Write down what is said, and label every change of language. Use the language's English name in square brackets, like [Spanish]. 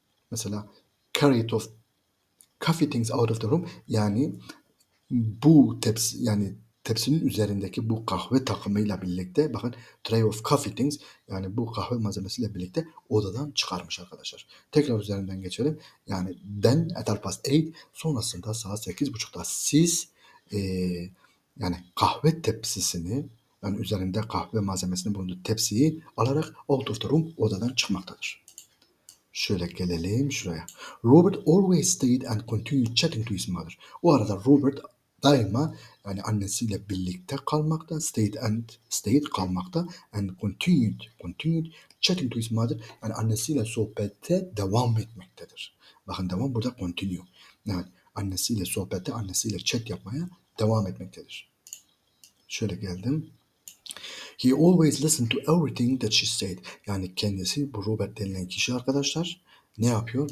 [English] Mesela carried of coffee things out of the room. [Turkish] Yani bu tepsi yani tepsinin üzerindeki bu kahve takımıyla birlikte bakın [English] tray of coffee things [Turkish] yani bu kahve malzemesiyle birlikte odadan çıkarmış arkadaşlar. Tekrar üzerinden geçelim. Yani [English] then at 8:30 [Turkish] sonrasında saat 8:30'da siz yani kahve tepsisini yani üzerinde kahve malzemesinin bulunduğu tepsiyi alarak [English] out of the room [Turkish] odadan çıkmaktadır. Şöyle gelelim şuraya. [English] Robert always stayed and continued chatting to his mother. [Turkish] O arada Robert daima yani annesiyle birlikte kalmakta, stayed kalmakta [English] and continued chatting to his mother [Turkish] yani annesiyle sohbete devam etmektedir. Bakın devam burada continue. Yani annesiyle sohbete, annesiyle chat yapmaya devam etmektedir. Şöyle geldim. [English] He always listened to everything that she said. [Turkish] Yani kendisi bu Robert denilen kişi arkadaşlar ne yapıyor?